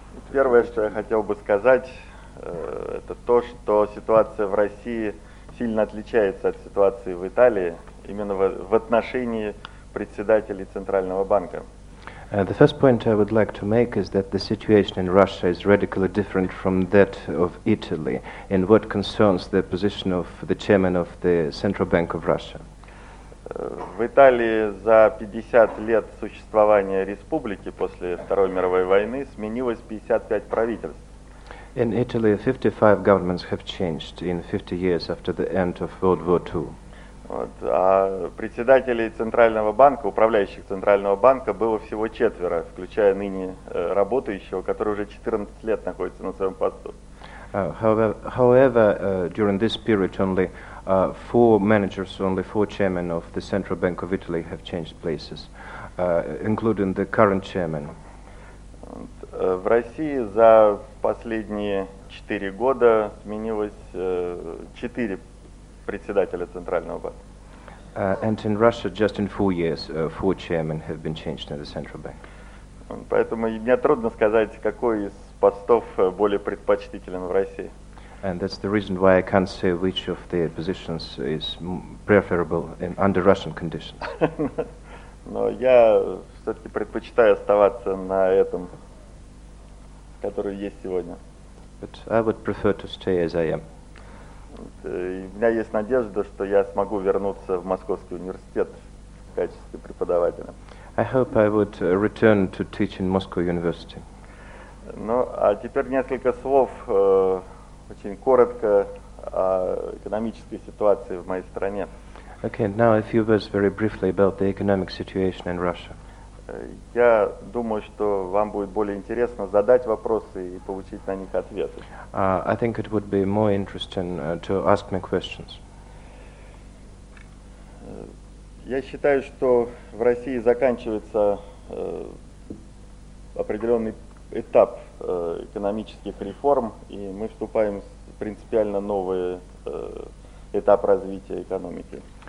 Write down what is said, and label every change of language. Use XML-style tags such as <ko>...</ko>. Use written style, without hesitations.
<ru>Первое, что я хотел бы сказать, это то, что ситуация в России сильно отличается от ситуации в Италии именно в отношении председателей Центрального банка.</ru> <en>The first point I would like to make is that the situation in Russia is radically different from that of Italy in what concerns the position of the chairman of the Central Bank of Russia.</en> <ru>В Италии за 50 лет существования республики после Второй мировой войны сменилось 55 правительств.</ru> <en>In Italy, 55 governments have changed in 50 years after the end of World War II.</en> <ru>Вот. А председателей Центрального банка, управляющих Центрального банка, было всего четверо, включая ныне работающего, который уже 14 лет находится на своем посту.</ru> <en>However, during this period only four managers, only four chairmen of the Central Bank of Italy have changed places, including the current chairman.</en> <ru>Вот. В России за последние 4 года сменилось 4 председателя Центрального банка.</ru> <en>And in Russia, just in 4 years, four chairmen have been changed in the central bank.</en> <ru>Поэтому мне трудно сказать, какой из постов более предпочтителен в России.</ru> <en>And that's the reason why I can't say which of the positions is preferable in under Russian conditions.</en> <ru>Но я все-таки предпочитаю оставаться на этом, который есть сегодня.</ru> <en>But I would prefer to stay as I am.</en> <ru>У меня есть надежда, что я смогу вернуться в Московский университет в качестве преподавателя.</ru> <en>I hope I would return to teach in Moscow University.</en> <ru>Ну, а теперь несколько слов, очень коротко, о экономической ситуации в моей стране.</ru> <en>Okay, now a few words very briefly about the economic situation in Russia.</en> <ru>Я думаю, что вам будет более интересно задать вопросы и получить на них ответы.</ru> <en>I think it would be more interesting to ask me questions.</en> <ru>Я считаю, что в России заканчивается определенный этап экономических реформ, и мы вступаем в принципиально новый этап развития экономики.</ru>